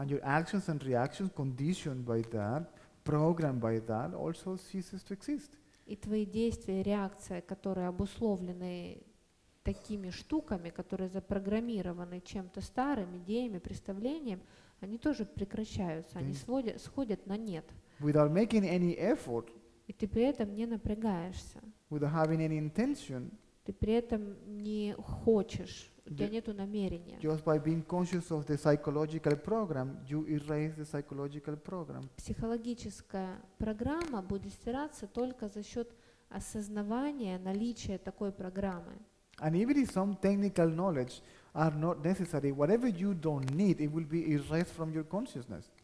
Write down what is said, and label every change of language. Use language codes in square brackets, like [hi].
[en] And your actions and reactions conditioned by that, programmed by that, also ceases to exist. [ru] И твои действия, реакция, которые обусловлены такими штуками, которые запрограммированы чем-то старым, идеями, представлением, они тоже прекращаются, они сходят на нет. [en] Without making any effort, [ru] и ты при этом не напрягаешься. [en] Without having any intention, [ru] ты при этом не хочешь, у тебя нету намерения. [en] Just by being conscious of the psychological program, you erase the psychological program. [ru] Психологическая программа будет стираться только за счет осознавания наличия такой программы. [en] And even if some technical knowledge are not necessary, whatever you don't need, it will be erased from your consciousness.